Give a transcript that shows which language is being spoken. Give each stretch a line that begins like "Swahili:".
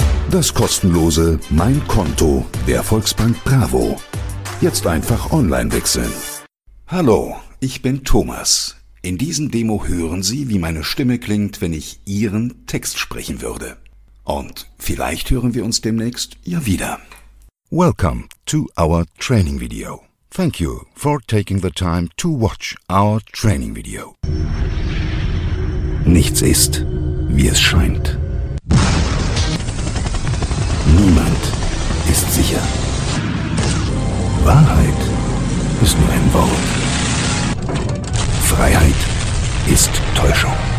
German: Das kostenlose Mein Konto der Volksbank Bravo. Jetzt einfach online wechseln. Hallo, ich bin Thomas. In diesem Demo hören Sie, wie meine Stimme klingt, wenn ich Ihren Text sprechen würde. Und vielleicht hören wir uns demnächst ja wieder.
English: Welcome to our training video. Thank you for taking the time to watch our training video.
German: Nichts ist, wie es scheint. Niemand ist sicher. Wahrheit ist nur ein Wort. Freiheit ist Täuschung.